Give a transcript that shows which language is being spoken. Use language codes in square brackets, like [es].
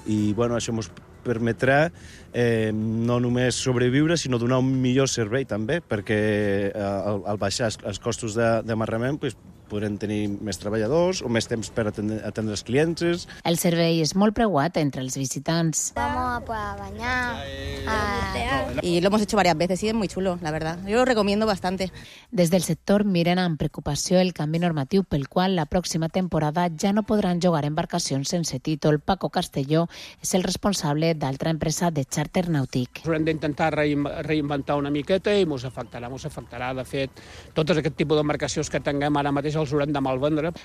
[ca] I bueno, això ens permetrà no només sobreviure, sinó donar un millor servei també, perquè al baixar els costos d'amarrament, pues, podrem tenir més treballadors o més temps per atendre els clients. El servei és molt preuat entre els visitants. [es] Vamos a poder bañar. Y lo hemos hecho varias veces y es muy chulo, la verdad. Yo lo recomiendo bastante. [ca] Des del sector miren amb preocupació el canvi normatiu pel qual la pròxima temporada ja no podran jugar embarcacions sense títol. Paco Castelló és el responsable d'altra empresa de Charter Nàutic. Hem d'intentar reinventar una miqueta i mos afectarà. De fet, totes aquest tipus d'embarcacions que tinguem ara mateix els haurem de malvendre.